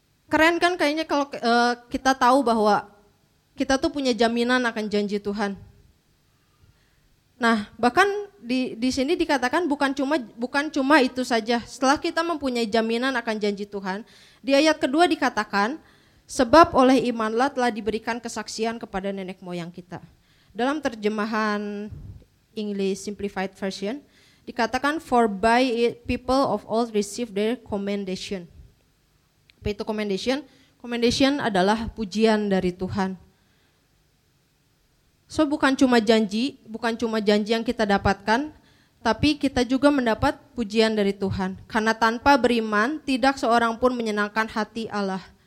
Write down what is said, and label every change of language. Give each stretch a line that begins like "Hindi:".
Indonesian: Keren kan kayaknya kalau kita tahu bahwa kita tuh punya jaminan akan janji Tuhan. Nah, bahkan di sini dikatakan bukan cuma itu saja. Setelah kita mempunyai jaminan akan janji Tuhan, di ayat kedua dikatakan, sebab oleh imanlah telah diberikan kesaksian kepada nenek moyang kita. Dalam terjemahan English Simplified Version, dikatakan,
English: for by it people of old received their commendation.
Indonesian: Apa itu commendation? Commendation adalah pujian dari Tuhan. So, bukan cuma janji yang kita dapatkan, tapi kita juga mendapat pujian dari Tuhan. Karena tanpa beriman, tidak seorang pun menyenangkan hati Allah.